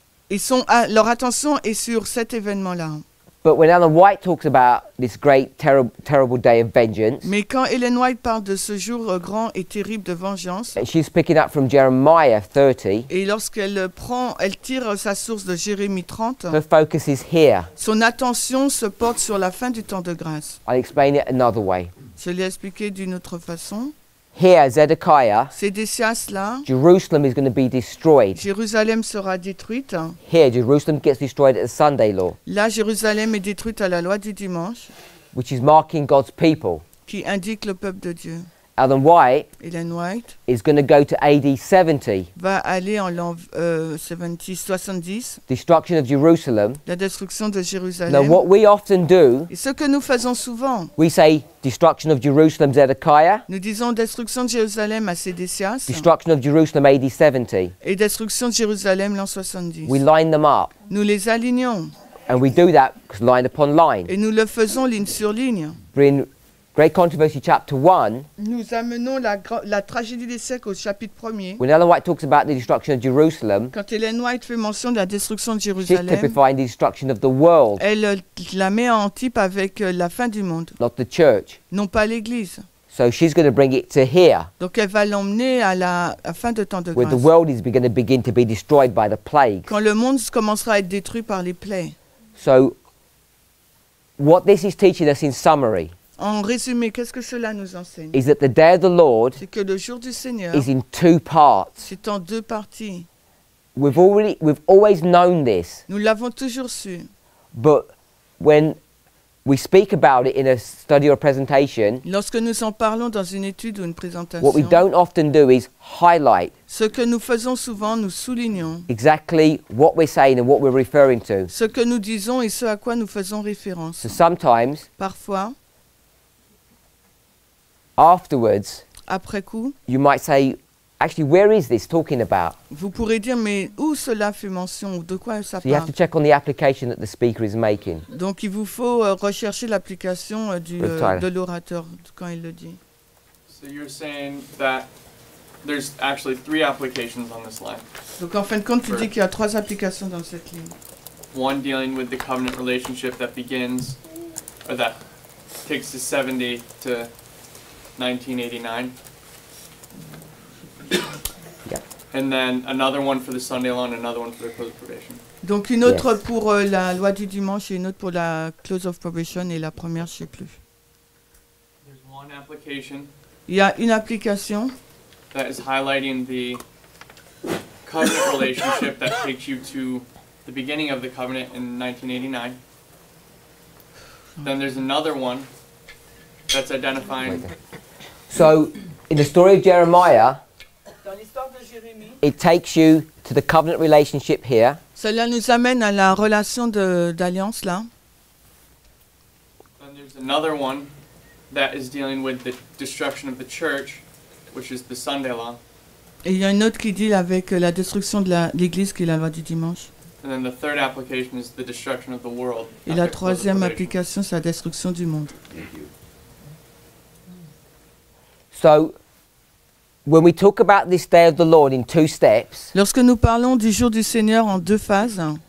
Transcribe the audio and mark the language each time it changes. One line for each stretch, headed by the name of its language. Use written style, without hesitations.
French: Ils sont à, leur attention est sur cet événement-là.
English: But when Ellen White talks about this great, terrible day of vengeance,
French: mais quand Ellen White parle de ce jour grand et terrible de vengeance,
English: she's picking up from Jeremiah 30.
French: Et lorsqu'elle prend, elle tire sa source de Jérémie 30.
English: Her focus is here.
French: Son attention se porte sur la fin du temps de grâce.
English: I'll explain it another way.
French: Je l'ai expliqué d'une autre façon.
English: Here, Zedekiah,
French: Zedekias, là,
English: Jerusalem is going to be destroyed.
French: Jérusalem sera détruite.
English: Here, Jerusalem gets destroyed at the Sunday law.
French: Là, Jérusalem est détruite à la loi du dimanche.
English: Which is marking God's people.
French: Qui indique le peuple de Dieu.
English: Ellen White,
French: Ellen White
English: is going to go to AD 70.
French: Va aller en l'an 70.
English: Destruction of Jerusalem.
French: La destruction de Jérusalem.
English: Now what we often do,
French: et ce que nous faisons souvent,
English: we say destruction of Jerusalem Zedekiah.
French: Nous disons destruction de Jérusalem à Zedekias.
English: Destruction of Jerusalem AD 70.
French: Et destruction de Jérusalem l'an 70.
English: We line them up.
French: Nous les alignons.
English: And we do that line upon line.
French: Et nous le faisons ligne sur ligne.
English: Great Controversy, chapter 1.
French: Nous amenons la tragédie des siècles au chapitre 1er.
English: When Ellen White talks about the destruction of Jerusalem,
French: quand Ellen White fait mention de la destruction de Jérusalem,
English: she's typifying the destruction of the world.
French: Elle la met en type avec la fin du monde.
English: Not the church.
French: Non pas l'église.
English: So she's going to bring it to here.
French: Donc elle va l'emmener à la fin de temps de grâce.
English: Where the world is going to begin to be destroyed by the plague.
French: Quand le monde commencera à être détruit par les plaies.
English: So what this is teaching us in summary.
French: En résumé, qu'est-ce que cela nous enseigne?
English: Is that the day of the Lord,
French: c'est que le jour du Seigneur,
English: is in two parts.
French: C'est en deux parties.
English: We've always known this.
French: Nous l'avons toujours su.
English: But when we speak about it in a study or presentation,
French: lorsque nous en parlons dans une étude ou une présentation,
English: what we don't often do is highlight.
French: Ce que nous faisons souvent, nous soulignons.
English: Exactly what we're saying and what we're referring to.
French: Ce que nous disons et ce à quoi nous faisons référence.
English: So sometimes,
French: parfois,
English: afterwards,
French: après coup,
English: you might say, actually, where is this talking about?
French: Vous pourrez dire, mais où cela fait mention, de quoi ça
English: so
French: parle?
English: You have to check on the application that the speaker is making.
French: Donc, il vous faut rechercher l'application de l'orateur quand il le dit.
English: So you're saying that there's actually three applications on this line.
French: Donc, en fin de compte, tu dis qu'il y a trois applications dans cette ligne.
English: One dealing with the covenant relationship that begins, or that takes to 70 to 1989. Yeah. And then another one for the Sunday law and another one for the close of probation.
French: Donc une autre
English: yes.
French: Pour la loi du dimanche et une autre pour la
English: close of probation
French: et la première, je sais plus.
English: There's one application.
French: Il y a une application.
English: That is highlighting the covenant relationship that takes you to the beginning of the covenant in 1989. Then there's another one that's identifying. So, in the story of Jeremiah,
French: dans l'histoire de Jérémie,
English: it takes you to the covenant relationship here.
French: Cela nous amène à la relation d'alliance là.
English: Then there's another one that is dealing with the destruction of the church, which is the Sunday law.
French: Et il y a une autre qui deal avec la destruction de l'église qui est la loi du dimanche.
English: And then the third application is the destruction of the world.
French: Et la troisième application, c'est la destruction du monde.
English: So, when we talk about this day of the Lord in two steps,
French: lorsque nous parlons du jour du Seigneur en deux phases,